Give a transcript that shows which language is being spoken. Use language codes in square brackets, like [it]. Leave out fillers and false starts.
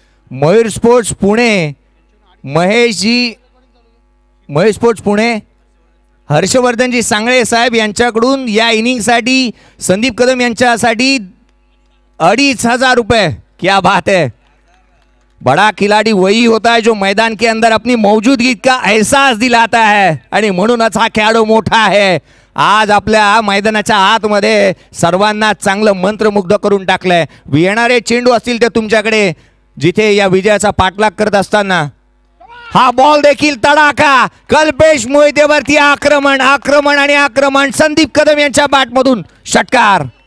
[mr] Mayur sports Pune Mahesh ji, Mayur sports Pune Harshvardhan जी सांगळे साहेब यांच्याकडून या इनिंगसाठी संदीप कदम यांच्यासाठी 2500 रुपये। [hi] क्या बात है, बड़ा खिलाड़ी वही होता है जो मैदान के अंदर अपनी मौजूदगी का एहसास दिलाता है [mr] आणि म्हणूनच हा खेळाडू मोठा [hi] है। [mr] आज आपल्या मैदानाच्या आत मध्ये सर्वांना चांगले मंत्रमुग्ध करून टाकले। येणारे चेंडू असतील ते तुमच्याकडे जिथे या विजयाचा पाठलाग करत असताना हा बॉल देखील तडाखा कल्पेश मोहितेवरती आक्रमण आक्रमण आणि आक्रमण संदीप कदम यांच्या बॅटमधून षटकार।